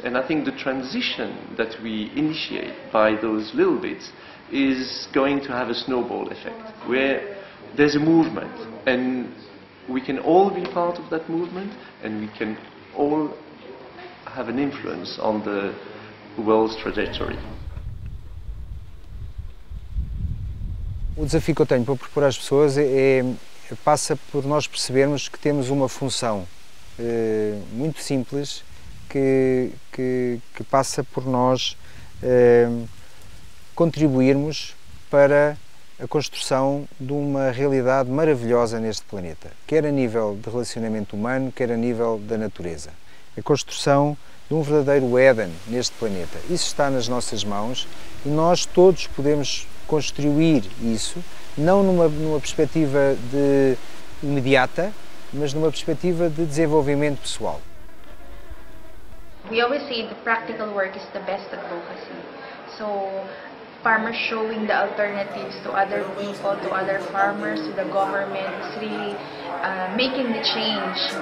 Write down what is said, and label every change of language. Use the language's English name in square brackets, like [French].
[English] And I think the transition that we initiate by those little bits is going to have a snowball effect, where there's a movement and we can all be part of that movement, and we can all have an influence on the world's trajectory. [Portuguese] O desafio que eu tenho para propor às pessoas passa por nós percebermos que temos uma função muito simples que passa por nós contribuirmos para a construção de uma realidade maravilhosa neste planeta, quer a nível de relacionamento humano, quer a nível da natureza. A construção de um verdadeiro Éden neste planeta. Isso está nas nossas mãos e nós todos podemos construir isso, não numa perspectiva de imediata, mas numa perspectiva de desenvolvimento pessoal. [English] We always say the practical work is the best advocacy. So farmers showing the alternatives to other people, to other farmers, to the government, is really making the change.